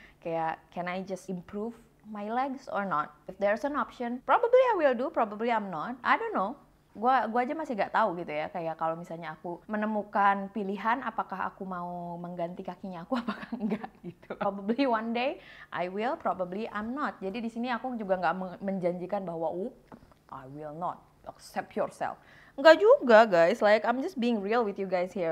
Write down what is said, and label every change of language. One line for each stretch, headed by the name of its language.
English: Kayak, can I just improve my legs or not? If there's an option, probably I will do, probably I'm not. I don't know.
Indonesian: Gua aja masih gak tahu gitu ya. Kayak kalau misalnya aku menemukan pilihan, apakah aku mau mengganti kakinya aku apakah enggak gitu.
English: Probably one day I will, probably I'm not.
Indonesian: Jadi di sini aku juga gak menjanjikan bahwa
English: I will not accept yourself.
Indonesian: Enggak juga guys,
English: like I'm just being real with you guys here.